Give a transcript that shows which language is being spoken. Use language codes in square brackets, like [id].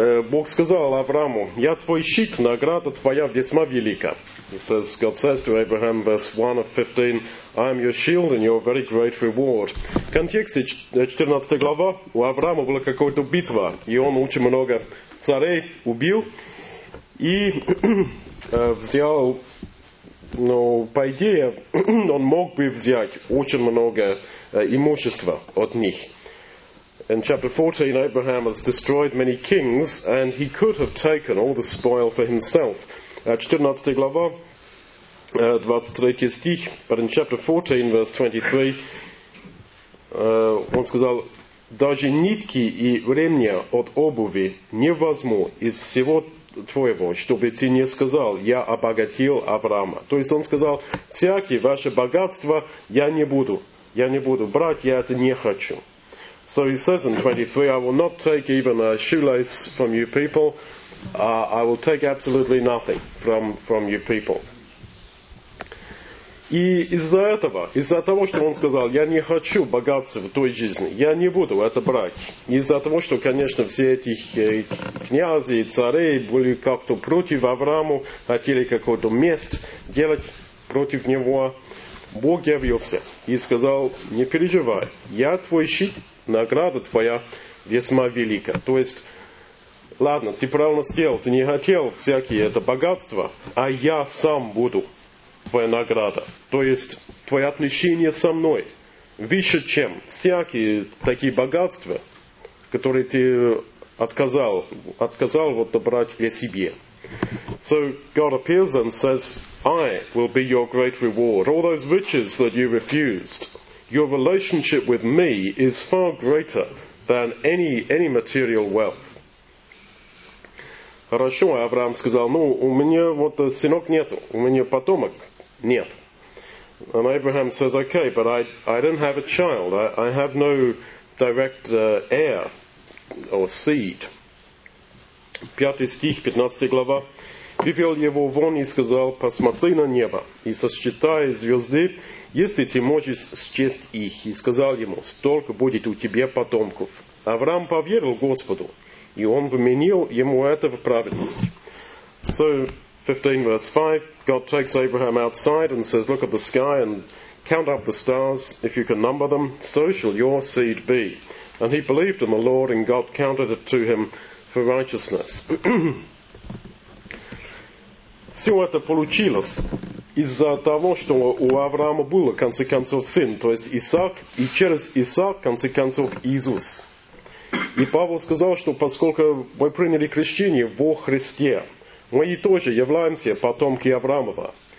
[ru] Бог сказал Аврааму: «Я твой щит, награда твоя весьма велика». [en] He says, God says to Abraham, verse 1 of 15, I am your shield and your very great reward. [ru] В контексте 14 глава у Авраама была какая-то битва, и он очень много царей убил и взял, но по идее он мог бы взять очень много имущества от них. [en] In chapter 14, Abraham has destroyed many kings, and he could have taken all the spoil for himself. [ru] 14 глава, 23 стих, [en] but in chapter 14, verse 23, [ru] он сказал, «Даже нитки и ремня от обуви не возьму из всего твоего, чтобы ты не сказал, я обогатил Авраама». То есть он сказал, «Всякие ваши богатства я не буду брать, я это не хочу». [en] So he says in 23, I will not take even a shoelace from you people. I will take absolutely nothing from you people. [ru] И из-за того, что он сказал, я не хочу богатства в той жизни, я не буду это брать. Из-за того, что, конечно, все эти князи и цари были как-то против Аврааму, хотели какую-то месть делать против него, Бог явился и сказал, не переживай, я твой щит, награда твоя весьма велика. То есть, ладно, ты правильно сделал, ты не хотел всякие это богатство, а я сам буду твоя награда. То есть, твое отношение со мной выше, чем всякие такие богатства, которые ты отказал вот добрать для себя. [en] So God appears and says, I will be your great reward. All those riches that you refused, your relationship with me is far greater than any material wealth. [ru] Хорошо, Авраам сказал, ну, у меня вот сынок нету, у меня потомок нет. [en] And Abraham says, okay, but I don't have a child. I have no direct heir or seed. [ru] 5 стих, 15 глава. Вывел его вон и сказал, посмотри на небо и сосчитай звезды, если ты можешь счесть их, и сказал ему, столько будет у тебя потомков. Авраам поверил Господу, и он вменил ему это в праведность. [en] So, 15 verse 5, God takes Abraham outside and says, look at the sky and count up the stars, if you can number them, so shall your seed be. And he believed in the Lord, and God counted it to him for righteousness. [ru] Все это получилось из-за того, что у Авраама был, в конце концов, сын, то есть Исаак, и через Исаак, в конце концов, Иисус. И Павел сказал, что поскольку мы приняли крещение во Христе, мы и тоже являемся потомки Авраамова.